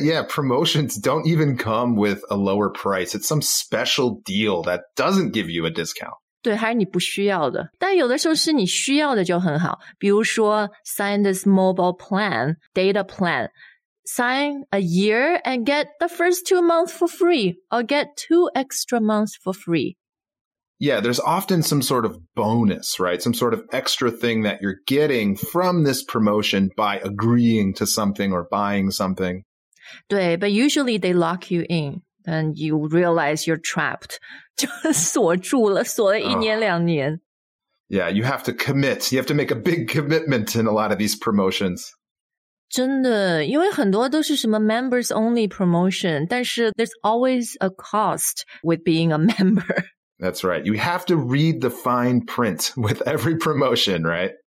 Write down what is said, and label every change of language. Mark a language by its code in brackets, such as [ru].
[en] Yeah, promotions don't even come with a lower price. It's some special deal that doesn't give you a discount. [zh] 对，还是你不需要的。但有的时候是你需要的就很好。比如说 [en] sign this mobile plan, data plan. Sign a year and get the first 2 months for free or get 2 extra months for free. Yeah, there's often some sort of bonus, right? Some sort of extra thing that you're getting from this promotion by agreeing to something or buying something. 对, but usually they lock you in. And you realize you're trapped. [zh] 就锁住了，锁了一年两年。 [en] Yeah, you have to commit. You have to make a big commitment in a lot of these promotions. [zh] 真的，因为很多都是什么 [en] members only promotion, [zh] 但是 [en] there's always a cost with being a member. That's right. You have to read the fine print with every promotion, right?